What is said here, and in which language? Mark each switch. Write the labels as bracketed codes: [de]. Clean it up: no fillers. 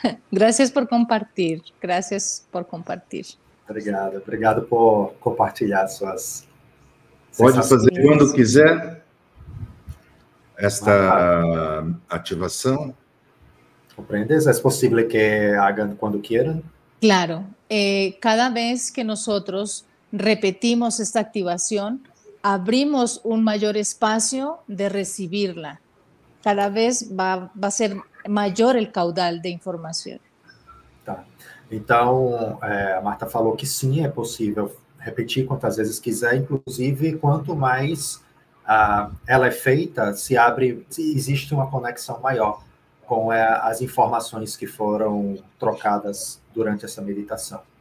[es] Gracias por compartir. Gracias por compartir. [pt] Obrigado. Obrigado por compartilhar suas... Pode fazer quando quiser... Esta ativação? Compreendes? É possível que [es] hagan [pt] quando [es] quieran? [pt] Claro. [es] Cada vez que nosotros repetimos esta activación, abrimos un mayor espacio de recibirla. Cada vez va a ser mayor el caudal de información. [pt] Tá. Então, a Marta falou que sim, é possível repetir quantas vezes quiser, inclusive quanto mais... ela é feita, se abre, existe uma conexão maior com as informações que foram trocadas durante essa meditação.